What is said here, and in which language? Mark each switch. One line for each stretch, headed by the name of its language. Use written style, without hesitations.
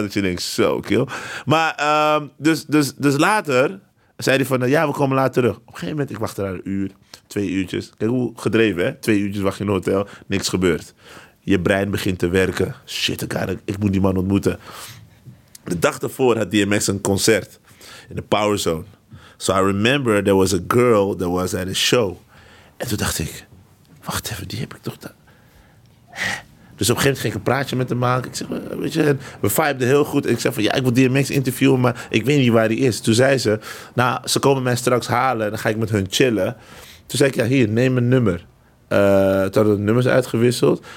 Dutch: Dat je denkt, zo, kill. Maar dus later zei hij van, ja, we komen later terug. Op een gegeven moment, ik wachtte daar een uur. Twee uurtjes. Kijk hoe gedreven, hè? Twee uurtjes wacht je in een hotel. Niks gebeurt. Je brein begint te werken. Shit, ik moet die man ontmoeten. De dag ervoor had DMX een concert. In de Power Zone.
English: So I remember there was a girl that was at a show.
Dutch: En toen dacht ik, wacht even, die heb ik toch daar. Dus op een gegeven moment ging ik een praatje met hem maken. Ik zeg, weet je, we vibeden heel goed. En ik zeg van, ja, ik wil DMX interviewen, maar ik weet niet waar die is. Toen zei ze, nou, ze komen mij straks halen. En dan ga ik met hun chillen. Toen zei ik, ja, hier, neem mijn nummer. Toen hadden de nummers uitgewisseld.